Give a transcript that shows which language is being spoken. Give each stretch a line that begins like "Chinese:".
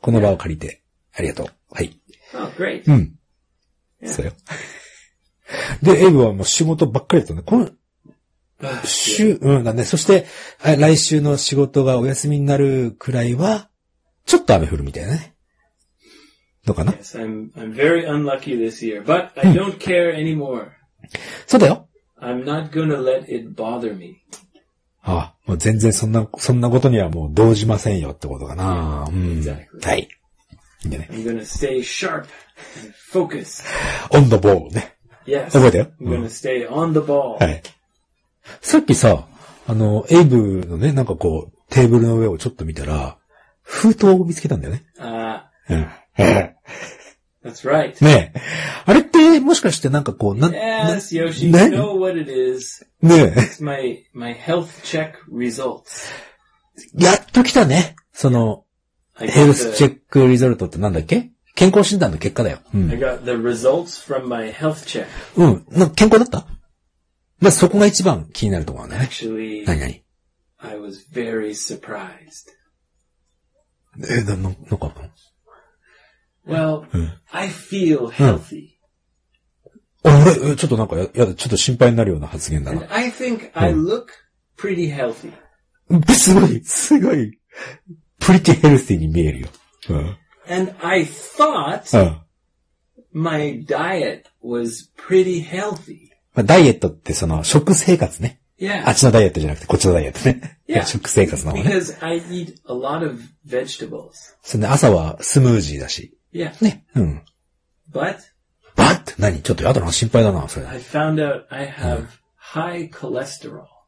Japanese: この場を借りて。
English: Yeah.
Japanese: ありがとう。はい。
English: Oh, great.
Japanese: うん。
English: Yeah.
Japanese: そうよ。で、エイブはもう仕事ばっかりだったね。この、週、うんだね。そして、来週の仕事がお休みになるくらいは、ちょっと雨降るみたいなね。のかな
English: ?Yes, I'm very unlucky this year, but I don't care anymore.
Japanese: そうだよ。
English: I'm not gonna let it bother me.
Japanese: ああ、もう全然そんなことにはもう動じませんよってことかな。うん。
English: Exactly.
Japanese: はい。
English: I'm gonna stay sharp and focused. On the ball, ね。 Yes.
Japanese: 覚えてよ。
English: I'm gonna stay on the ball.
Japanese: はい。さっきさ、エイブのね、なんかこう、テーブルの上をちょっと見たら、封筒を見つけたんだよね。
English: ああ。That's right.
Japanese: ねえ。あれって、もしかしてなんかこう、
English: Yes, Yoshi, you know what it is.
Japanese: ねえ。
English: It's my health check results.
Japanese: やっと来たね。その、ヘルスチェックリゾルトってなんだっけ？健康診断の結果だよ。うん。
English: I got the results from my health check.
Japanese: うん。なんか健康だった？まあ、そこが一番気になるところね。
English: Actually,
Japanese: 何何
English: ?I was very surprised.
Japanese: え、なんかあったの
English: ?Well,、うん、I feel healthy.、
Japanese: うん、あれちょっとなんか、やだ、ちょっと心配になるような発言だな。
English: And、I think I look pretty healthy.、
Japanese: うん、すごい、すごい。
English: Pretty healthy
Japanese: に見えるよ。うん、
English: And I thought、うん、my diet was pretty healthy.
Japanese: ダイエットってその食生活ね。
English: Yeah.
Japanese: あっちのダイエットじゃなくてこっちのダイエットね。
English: Yeah.
Japanese: 食生活の方ね。
English: Because I eat a lot of vegetables.
Japanese: そんで朝はスムージーだし。
English: Yeah.
Japanese: ね。うん。
English: But?
Japanese: 何ちょっとやだな。心配だな。それ。
English: I found out I have high cholesterol.